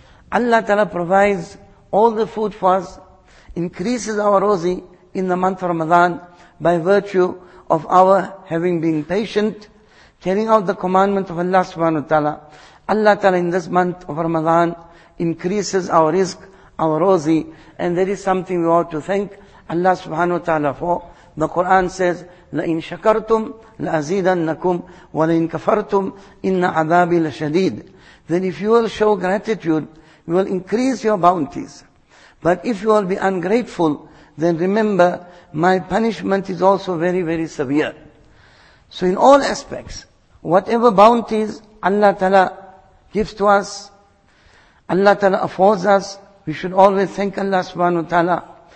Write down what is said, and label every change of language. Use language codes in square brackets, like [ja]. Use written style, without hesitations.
[en] Allah Ta'ala provides all the food for us, increases our rosy in the month of Ramadan by virtue of our having been patient, carrying out the commandment of Allah Subhanahu Wa Ta'ala. Allah Ta'ala in this month of Ramadan increases our rizq, our rosy, and that is something we ought to thank Allah Subhanahu Wa Ta'ala for. The Quran says, [ar] لَإِن شَكَرْتُمْ لَأَزِيدَنَّكُمْ وَلَإِن كَفَرْتُمْ إِنَّ عَذَابِ لَشَدِيدٌ. [en] Then if you will show gratitude, we will increase your bounties. But if you will be ungrateful, then remember, my punishment is also very, very severe. So in all aspects, whatever bounties Allah Ta'ala gives to us, Allah Ta'ala affords us, we should always thank Allah Subhanahu Wa Ta'ala.